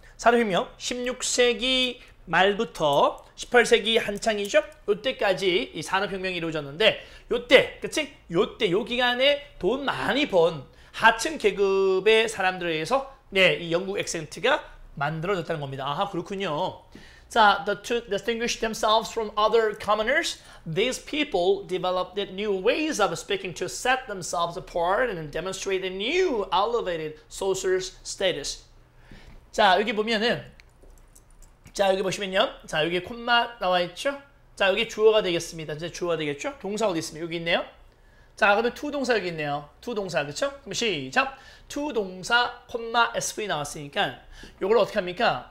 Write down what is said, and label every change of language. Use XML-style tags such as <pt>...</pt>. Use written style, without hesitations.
<ko>산업혁명 16세기 말부터 18세기 한창이죠. 이때까지 이 산업혁명이 이루어졌는데, 이때, 그치? 이때, 요 기간에 돈 많이 번 하층 계급의 사람들에 의해서 이 영국 액센트가 만들어졌다는 겁니다. 아하, 그렇군요.</ko> <en>자, to distinguish themselves from other commoners, these people developed new ways of speaking to set themselves apart and demonstrate a new elevated social status.</en> <ko>자, 여기 보면은, 자, 여기 보시면요. 자, 여기 콤마 나와 있죠? 자, 여기 주어가 되겠습니다. 이제 주어가 되겠죠? 동사 어디 있습니다. 여기 있네요. 자, 그러면 to 동사 여기 있네요. to 동사, 그쵸? 그럼 시작. to 동사, 콤마 SV 나왔으니까, 이걸 어떻게 합니까?</ko>